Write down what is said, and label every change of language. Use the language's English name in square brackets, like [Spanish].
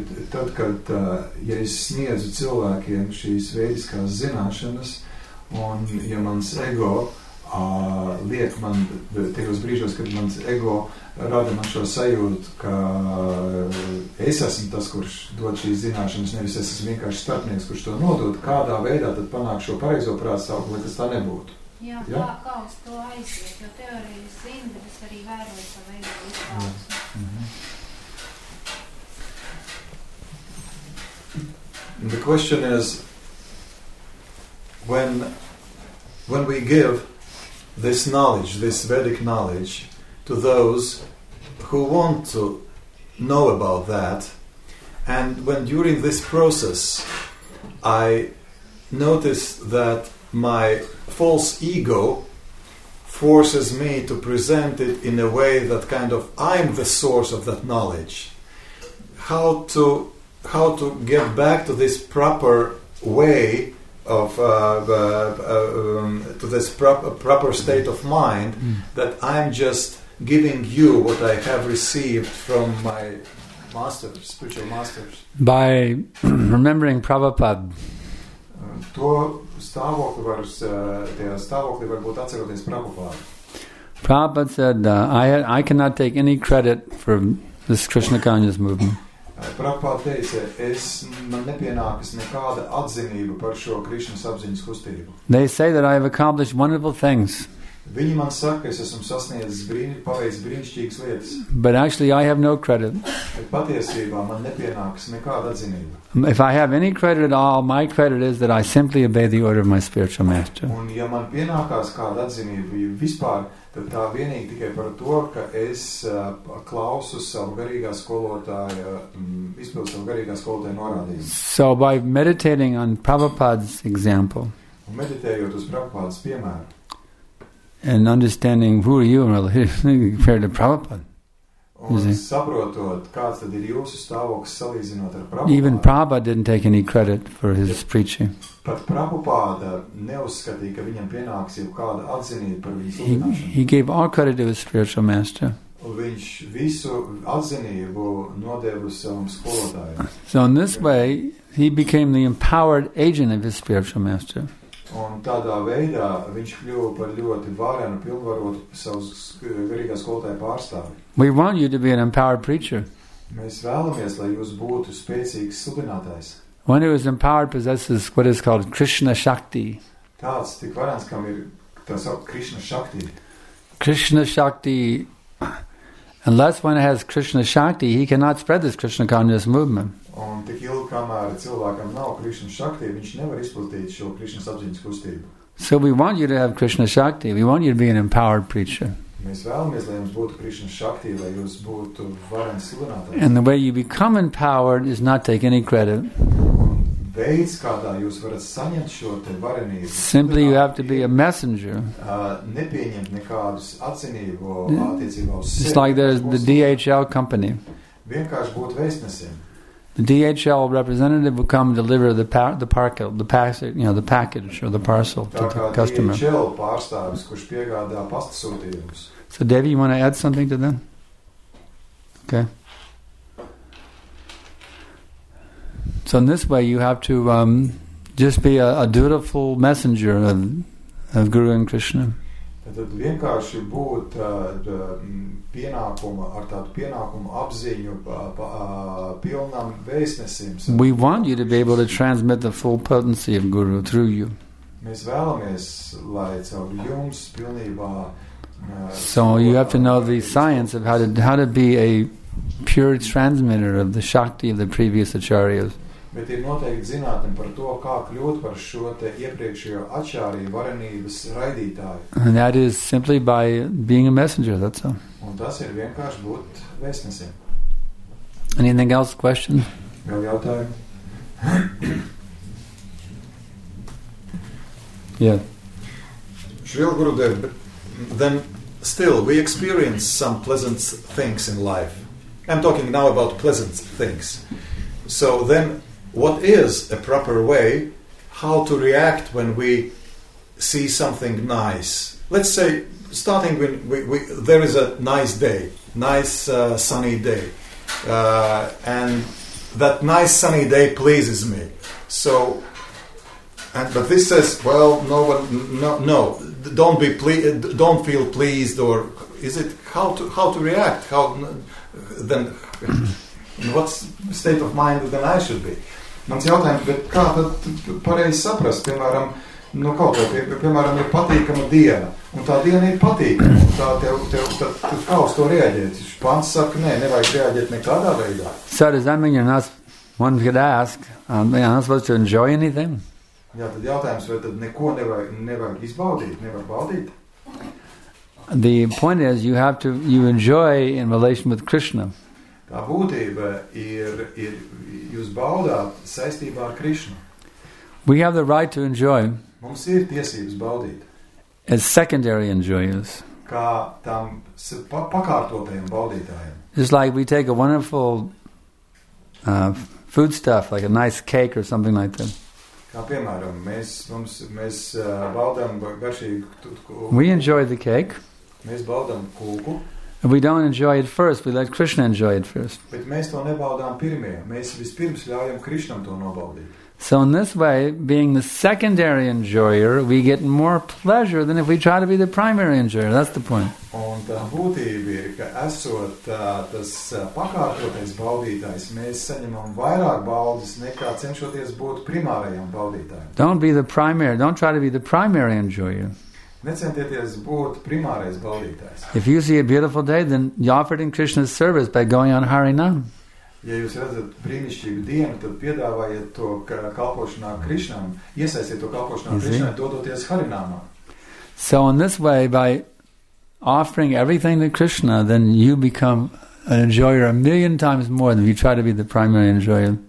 [Latvian] Tad, kad ja es sniedzu cilvēkiem šīs veidiskās zināšanas un ja mans ego liek man tiekos brīžos, kad mans ego rada man šo sajūtu, ka es esmu tas, kurš dod šīs zināšanas, nevis es esmu vienkārši starpnieks, kurš to nodod, kādā veidā tad panāk šo pareizo prāta stāvokli, lai tas tā nebūtu. Jā, ja? Kā uz to aiziet, jo teorija zin, bet es arī vēroju to veidu. [English] The question is, when we give this knowledge, this Vedic knowledge, to those who want to know about that, and when during this process I notice that my false ego forces me to present it in a way that kind of I'm the source of that knowledge, how to get back to this proper way of to this proper state of mind, that I'm just giving you what I have received from my masters, spiritual masters. By remembering Prabhupada. [Latvian] To stāvokli var, tajā stāvokli var būt atcerēties Prabhupada. [English] Prabhupada said, I cannot take any credit for this Krishna consciousness movement. [Latvian] Prabhupada teica, es man nepienākas nekāda atzinība par šo Krishna apziņas kustību. [English] They say that I have accomplished wonderful things. [Latvian] Viņi man saka, es esmu sasniedzis brīnišķīgas lietas. [English] But actually I have no credit. [Latvian] Bet patiesībā man nepienākas nekāda atzinība. [English] If I have any credit at all, my credit is that I simply obey the order of my spiritual master. [Latvian] Un ja man pienākās kāda atzinība vispār, tad tā vienīgi tikai par to, ka es klausu savu garīgā skolotāju, izpildu savu garīgā skolotāju norādījumu. [English] So by meditating on Prabhupada's example. [Latvian] Un meditējot uz Prabhupādas piemēru. [English] And understanding who are you compared to Prabhupada. [Latvian] Kāds tad ir jūsu stāvoks salīdzinot ar Prabhupada. [English] Even Prabhupada didn't take any credit for his preaching. [Latvian] Pat Prabhupada neuzskatīja, ka viņam pienāks jau kāda atzinība par viņu sludināšanu. [English] He gave all credit to his spiritual master. [Latvian] Viņš visu atzinību nodeva savam skolotājam. [English] So in this way, he became the empowered agent of his spiritual master. [Latvian] Un tādā veidā viņš kļuva par ļoti varenu pilnvarotu savu garīgā skolotāja pārstāvi. [English] We want you to be an empowered preacher. [Latvian] Mēs vēlamies, lai jūs būtu spēcīgs sludinātājs. [English] One who is empowered possesses what is called Krishna Shakti. [Latvian] Tāds tik varens, kam ir tā sauc Krishna Shakti. Krishna Shakti. [English] Unless one has Krishna Shakti, he cannot spread this Krishna consciousness movement. [Latvian] Un tik ilgi, kamēr cilvēkam nav Krishna Shakti, viņš nevar izplatīt šo Krishna apziņas kustību. [English] So we want you to have Krishna Shakti. We want you to be an empowered preacher. [Latvian] Mēs vēlamies, lai jums būtu Krishna Shakti, lai jūs būtu varens sludinātājs. [English] And the way you become empowered is not take any credit. [Latvian] veids, kādā jūs varat saņemt šo te varenību. Simply you have to be a messenger. Nepieņemt nekādus acinību attiecībā uz sevi. [English] It's like there's the DHL company. [Latvian] Vienkārši būt vēstnesim. [English] The DHL representative will come deliver the package or the parcel to the customer. [Latvian] DHL pārstāvis, kurš piegādā pastasūtījumus. [English] So Devi, you want to add something to that? Okay. So in this way, you have to just be a dutiful messenger of Guru and Krishna. [Latvian] Tad vienkārši būt pienākuma, ar tādu pienākumu apziņu pilnam vēstnesim. [English] We want you to be able to transmit the full potency of Guru through you. [Latvian] Mēs vēlamies, lai caur jums pilnībā. [English] So you have to know the science of how to be a pure transmitter of the Shakti of the previous acharyas. [Latvian] Bet ir noteikti zinātni par to, kā kļūt par šo te iepriekšējo ačāriju varenības raidītāju. [English] And that is simply by being a messenger, that's all. [Latvian] Un tas ir vienkārši būt vēstnesim. [English] Anything else, question? [Latvian] Vēl jautājumi? [English] Yeah. Shrila Gurudev, but then still we experience some pleasant things in life. I'm talking now about pleasant things. So then, what is a proper way how to react when we see something nice? Let's say, starting when there is a nice day, nice sunny day, and that nice sunny day pleases me. So, and but this says, well, no, don't be don't feel pleased, or is it how to react? How then, in what state of mind then I should be? [Latvian] Mans jautājums, bet kā tad pareizi saprast, piemēram, no kaut ko, piemēram, ir patīkama diena, un tā diena ir patīkama, un tā tev kā uz to rieģēt? Pants saka, nē, nevajag rieģēt nekādā veidā. [English] Sir, does that mean you're not, one could ask, are you not supposed to enjoy anything? [Latvian] Jā, tad jautājums, vai tad neko nevajag izbaudīt, nevar baudīt? [English] The point is, you enjoy in relation with Krishna. [Latvian] Tā būtība ir jūs baudāt saistībā ar Krishna. [English] We have the right to enjoy. [Latvian] Mums ir tiesības baudīt. [English] As secondary enjoyers. [Latvian] Kā tam pakārtotajiem baudītājiem. [English] It's like we take a wonderful food stuff, like a nice cake or something like that. [Latvian] Kā piemēram, mēs baudām garšīgu kūku. [English] We enjoy the cake. [Latvian] Mēs baudām kūku. [English] And we don't enjoy it first, we let Krishna enjoy it first. [Latvian] Bet mēs to nebaudām pirmie, mēs vispirms ļaujam Krishnam to nobaudīt. [English] So in this way, being the secondary enjoyer, we get more pleasure than if we try to be the primary enjoyer, that's the point. [Latvian] Un tā būtība ir, ka esot tas pakārtotais baudītājs, mēs saņemam vairāk baudas, nekā cenšoties būt primārajam baudītājam. [English] Don't be the primary, don't try to be the primary enjoyer. [Latvian] Necentieties būt primārais baudītājs. [English] If you see a beautiful day, then you offer it in Krishna's service by going on Harinam. [Latvian] Ja jūs redzat brīnišķīgu dienu, tad piedāvājiet to kalpošanā Krishnam, iesaistiet to kalpošanā Krishnai, dodoties Harinamā. [English] So in this way, by offering everything to Krishna, then you become an enjoyer a million times more than if you try to be the primary enjoyer.